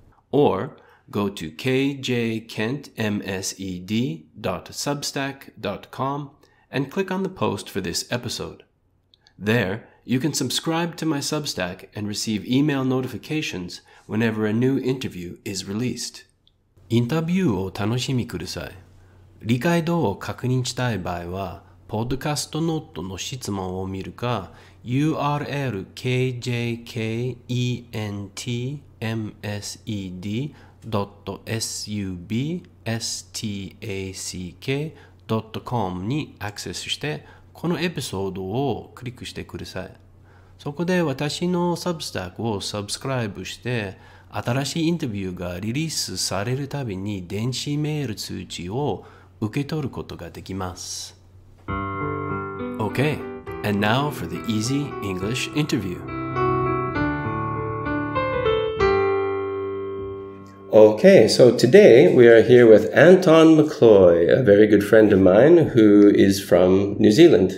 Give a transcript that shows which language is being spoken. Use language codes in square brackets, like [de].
[en] Or go to kjkentmsed.substack.com and click on the post for this episode. There, you can subscribe to my Substack and receive email notifications whenever a new interview is released. [ja] インタビューを楽しみください。理解度を確認したい場合は、ポッドキャストノートの質問を見るか、urlkjkentmsed.substack.com にアクセスして、このエピソードをクリックしてください。そこで私のサブスタックをサブスクライブして、新しいインタビューがリリースされるたびに電子メール通知を受け取ることができます。 [en] Okay, and now for the easy English interview. Okay, so today we are here with Anton McCloy, a very good friend of mine who is from New Zealand.